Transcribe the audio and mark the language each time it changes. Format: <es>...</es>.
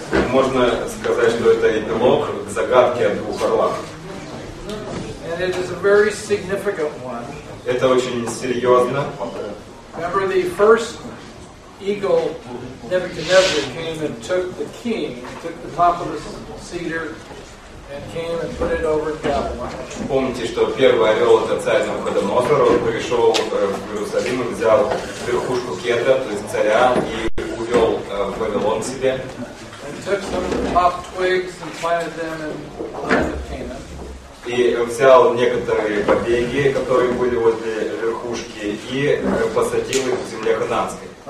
<ru>Можно сказать, что это эпилог к загадке о двух орлах.</ru> <en>And it is a very significant one.</en> <ru>Это очень серьезно.</ru> <en>Remember the first eagle, Nebuchadnezzar, came and took the king, took the top of the cedar, and came and put it over Babylon.</en> <ru>Помните, что первый орел, это царь Навуходоносор, он пришел в Иерусалим и взял верхушку кедра, то есть царя, и увел в Вавилон себе.</ru> <en>And took some of the top twigs and planted them in the land of Canaan.</en> <ru>И взял некоторые побеги, которые были возле верхушки, и посадил их в земле Ханаанской.</ru>